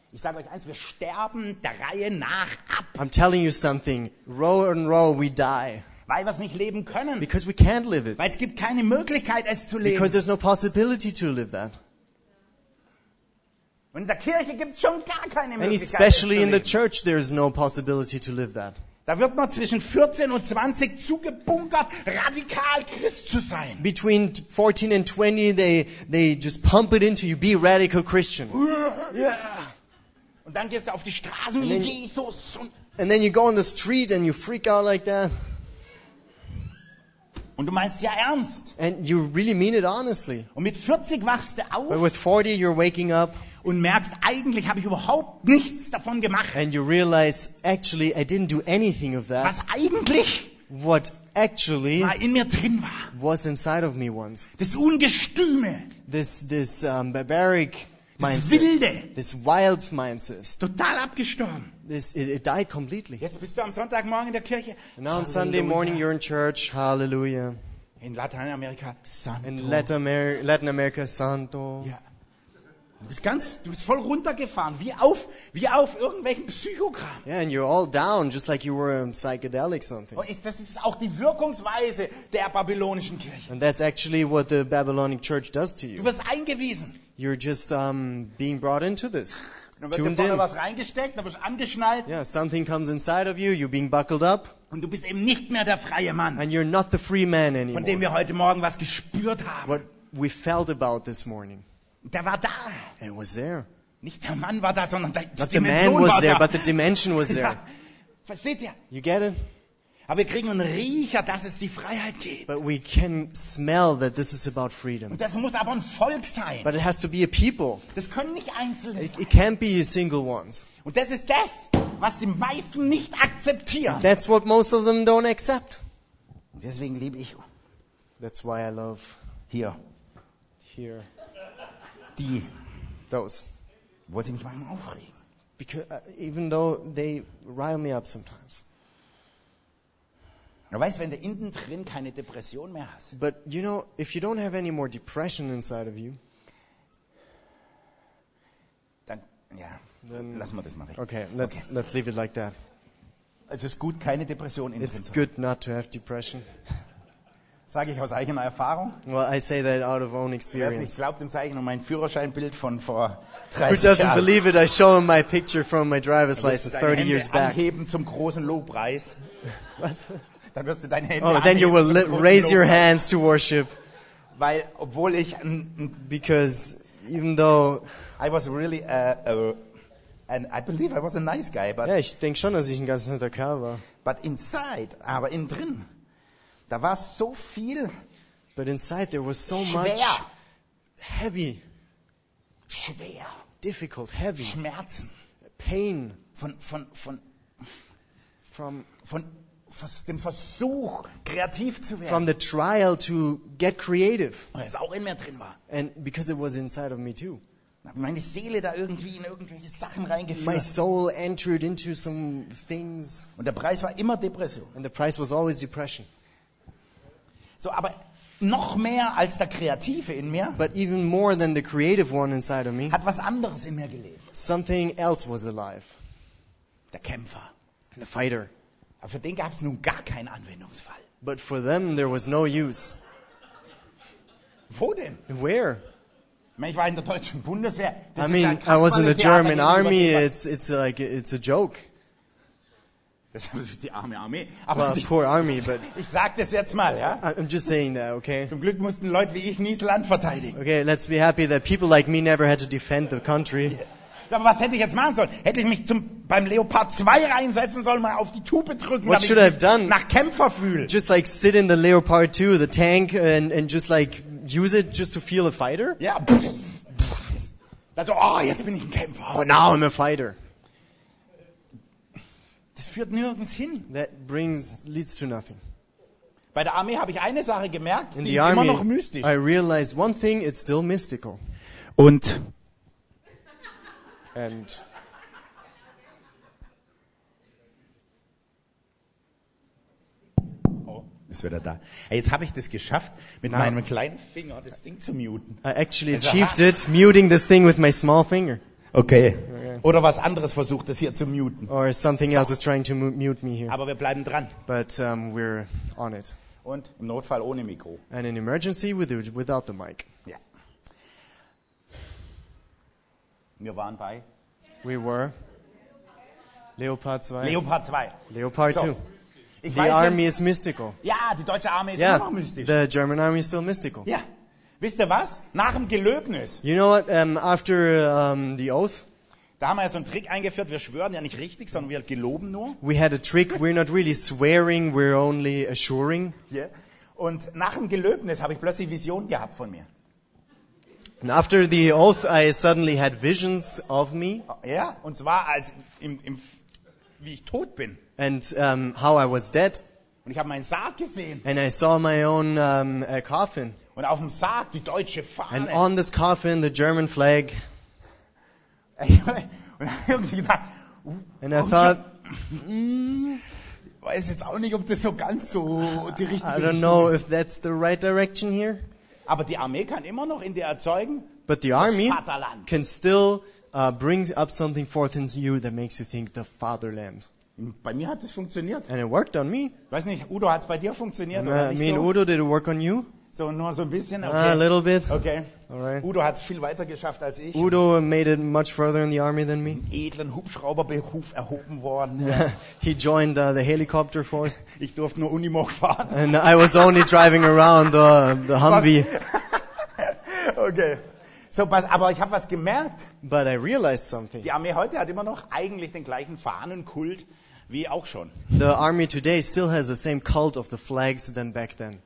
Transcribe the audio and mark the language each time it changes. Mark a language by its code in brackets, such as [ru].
[de] Ich sage euch eins, wir sterben der Reihe nach ab. [en] I'm telling you something. Row on row, we die. [de] Weil wir es nicht leben können. [en] Because we can't live it. [de] Weil es gibt keine Möglichkeit, es zu leben. [en] Because there's no possibility to live that. [de] Und in der Kirche gibt es schon gar keine Möglichkeit, [en] and especially in the church, there is no possibility to live that. [de] Da wird man zwischen 14 und 20 zugebunkert, radikal Christ zu sein. [en] Between 14 and 20, they just pump it into you, be radical Christian. Yeah. [de] Und dann gehst du auf die Straßen wie Jesus. [en] And then you go on the street and you freak out like that. [de] Und du meinst ja ernst. [en] And you really mean it honestly. [de] Und mit 40 wachst du auf. [en] But with 40 you're waking up. [de] Und merkst, eigentlich habe ich überhaupt nichts davon gemacht. [en] And you realize, actually, I didn't do anything of that. [de] Was eigentlich? [en] What actually? [de] War in mir drin war. [en] Was inside of me once. [de] Das Ungestüme. [en] This barbaric [de] das [en] mindset. [de] Das Wilde. [en] This wild mindset. [de] Ist total abgestorben. [en] It died completely. [de] Jetzt bist du am Sonntagmorgen in der Kirche. [en] Now on Sunday morning you're in church. Hallelujah. [de] In Lateinamerika, Santo. [en] In Latin America, Santo. [de] Ja. Du bist voll runtergefahren, wie auf irgendwelchen Psychogramm. [en] Yeah, and you're all down, just like you were a psychedelic something. [de] Und das ist auch die Wirkungsweise der babylonischen Kirche. [en] And that's actually what the Babylonic Church does to you. [de] Du wirst eingewiesen. [en] You're just being brought into this. [de] Dann wird dir vorne was reingesteckt, dann wirst du angeschnallt. [en] Yeah, something comes inside of you, you're being buckled up. [de] Und du bist eben nicht mehr der freie Mann. [en] And you're not the free man anymore. [de] Von dem wir heute Morgen was gespürt haben. [en] What we felt about this morning. [de] Der war da. [en] It was there. [de] Nicht der Mann war da, sondern die Dimension war da. [en] Not the man was there, but the dimension was there. [de] Ja. Versteht ihr? [en] You get it? [de] Aber wir kriegen einen Riecher, dass es die Freiheit gibt. [en] But we can smell that this is about freedom. [de] Und das muss aber ein Volk sein. [en] But it has to be a people. [de] Das können nicht Einzelne sein. [en] It can't be single ones. [de] Und das ist das, was die meisten nicht akzeptieren. [en] That's what most of them don't accept. [de] Und deswegen liebe ich. [en] That's why I love here. Here. [de] Die. [en] Those. [de] Wo sie mich manchmal aufregen. [en] Because, even though they rile me up sometimes. [de] Du weißt, wenn du innen drin keine Depression mehr hast. [en] But you know, if you don't have any more depression inside of you. [de] Dann, ja. Then, lassen wir das mal weg. [en] Okay, let's leave it like that. [de] Es ist gut, keine Depression innen [en] drin. It's good not to have depression. [de] Sage ich aus eigener Erfahrung. [en] Well, I say that out of own experience. [de] Wer es nicht glaubt, dem zeige ich noch mein Führerscheinbild von vor 30 [en] Jahren. Who doesn't believe it, I show him my picture from my driver's license 30 years back. [de] Anheben zum großen Lobpreis. Was? Dann wirst du deine Hände [en] oh, then you will raise your hands to worship. [de] Weil, obwohl ich, [en] because even though I was really and I believe I was a nice guy, but [de] ja, ich denke schon, dass ich ein ganz netter Kerl war. [en] But inside, [de] aber innen drin, da war so viel. [en] But inside there was so [de] schwer. [en] Much heavy. [de] Schwer. [en] Difficult, heavy. [de] Schmerzen. [en] Pain. [de] Von dem Versuch, kreativ zu werden. [en] From the trial to get creative. [de] Weil es auch in mir drin war. [en] And because it was inside of me too. [de] Meine Seele da irgendwie in irgendwelche Sachen reingeführt. [en] My soul entered into some things. [de] Und der Preis war immer Depression. [en] And the price was always depression. [de] So, aber noch mehr als der Kreative in mir. [en] But even more than the creative one inside of me. [de] Hat was anderes in mir gelebt. [en] Something else was alive. [de] Der Kämpfer. [en] The fighter. [de] Aber für den gab es nun gar keinen Anwendungsfall. [en] But for them there was no use. [de] Wo denn? [en] Where? [de] Ich war in der deutschen Bundeswehr. Das [en] I mean, [de] ist ja krass, [en] I was in the German Army. It's like it's a joke. [de] Das ist die arme Armee. [en] Aber well, poor army, but [de] ich sag das jetzt mal, ja. [en] I'm just saying that, okay. [de] Zum Glück mussten Leute wie ich nie das Land verteidigen. [en] Okay, let's be happy that people like me never had to defend the country. [de] Yeah. Aber was hätte ich jetzt machen sollen? Hätte ich mich beim Leopard 2 reinsetzen sollen, mal auf die Tube drücken? [en] What should [de] ich [en] have done? [de] Nach Kämpfer fühlen. [en] Just like sit in the Leopard 2, the tank, and just like use it just to feel a fighter? [de] Ja. Yeah. Also, oh, jetzt bin ich ein Kämpfer. [en] Oh, now I'm a fighter. [de] Das führt nirgends hin. [en] That brings leads to nothing. [de] Bei der Armee habe ich eine Sache gemerkt, die ist immer noch mystisch. [en] I realized one thing, it's still mystical. [de] Und ist wieder da. Hey, jetzt habe ich das geschafft, mit meinem kleinen Finger das Ding zu muten. [en] I actually achieved it, muting this thing with my small finger. [de] Okay. Oder was anderes versucht es hier zu muten. [en] Or something else is trying to mute me here. [de] Aber wir bleiben dran. [en] But we're on it. [de] Und im Notfall ohne Mikro. [en] And in emergency without the mic. [de] Ja. Wir waren bei. [en] We were. Leopard 2. Leopard 2. Leopard 2. So. The army is mystical. [de] Ja, die deutsche Armee ist immer noch mystisch. [en] The German army is still mystical. [de] Ja. Wisst ihr was? Nach dem Gelöbnis. [en] You know what? After the oath. [de] Da haben wir ja so einen Trick eingeführt. Wir schwören ja nicht richtig, sondern wir geloben nur. [en] We had a trick. We're not really swearing. We're only assuring. Yeah. [de] Und nach dem Gelöbnis habe ich plötzlich Visionen gehabt von mir. [en] And after the oath, I suddenly had visions of me. [de] Ja. Und zwar als im wie ich tot bin. [en] And how I was dead. [de] Und ich habe meinen Sarg gesehen. [en] And I saw my own coffin. [de] Und auf dem Sarg die deutsche Fahne. [en] And on this coffin the German flag. [de] Und irgendwie gedacht. [en] And I thought. [de] weiß jetzt auch nicht, ob das so ganz so die richtige [en] Richtung ist. I don't know if that's the right direction here. [de] Aber die Armee kann immer noch in dir erzeugen. [en] But the army can still bring up something forth in you that makes you think the fatherland. [de] Bei mir hat es funktioniert. [en] And it worked on me. [de] Weiß nicht, Udo, hat es bei dir funktioniert? [en] Udo, did it work on you? [de] So nur so ein bisschen, [en] okay. A little bit. Okay. All right. [de] Udo hat es viel weiter geschafft als ich. [en] Udo made it much further in the army than me. [de] Einen edlen Hubschrauberberuf erhoben worden. [en] He joined the helicopter force. [de] Ich durfte nur Unimog fahren. [en] And I was only driving around the Humvee. [de] Okay. So, aber ich habe was gemerkt. [en] But I realized something. [de] Die Armee heute hat immer noch eigentlich den gleichen Fahnenkult wie auch schon. [en] The army today still has the same cult of the flags than back then.